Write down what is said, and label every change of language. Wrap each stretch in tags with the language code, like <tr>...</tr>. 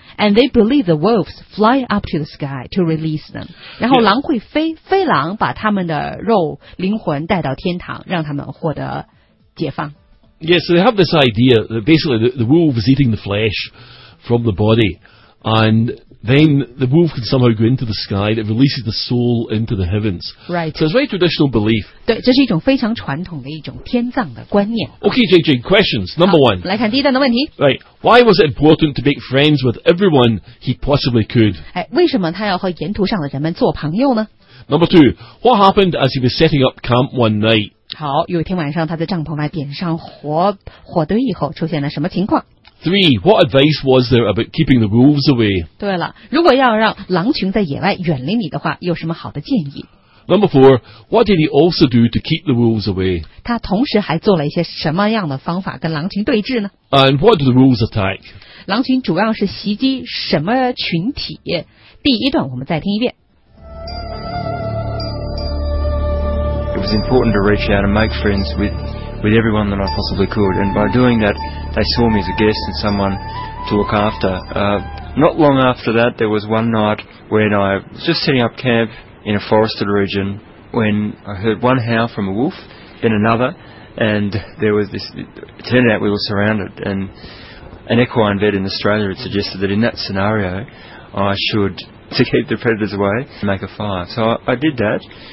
<en>And they believe the wolves fly up to the sky to release them.</en> <zh>然后狼会飞，飞狼把他们的肉灵魂带到天堂，让他们获得解放。</zh> <en>Yeah, so they have this idea that basically the wolf is eating the flesh from the body, and then the wolf can somehow go into the sky, that releases the soul into the heavens. Right. So it's a very traditional belief.</en> <zh>对，这是一种非常传统的一种天葬的观念。</zh> <en>Okay, JJ, questions. Number one.</en> <zh>来看第一段的问题。</zh> <en>Right. Why was it important to make friends with everyone he possibly could?</en> <zh>哎，为什么他要和沿途上的人们做朋友呢？</zh> <en>Number two. What happened as he was setting up camp one night?</en> <zh>好，有一天晚上他在帐篷外点上火堆以后出现了什么情况？</zh> <en>Three, what advice was there about keeping the wolves away?</en> <zh>对了，如果要让狼群在野外远离你的话，有什么好的建议？</zh> <en>Number four, what did he also do to keep the wolves away?</en> <zh>他同时还做了一些什么样的方法跟狼群对峙呢？</zh> <en>And what do the wolves attack?</en> <zh>狼群主要是袭击什么群体？第一段我们再听一遍。</zh> <en>It was important to reach out and make friends with everyone that I possibly could, and by doing that, they saw me as a guest and someone to look after. Not long after that, there was one night when I was just setting up camp in a forested region when I heard one howl from a wolf, then another, and there was this, it turned out we were surrounded, and an equine vet in Australia had suggested that in that scenario, I should, to keep the predators away, make a fire. So I did that.</en>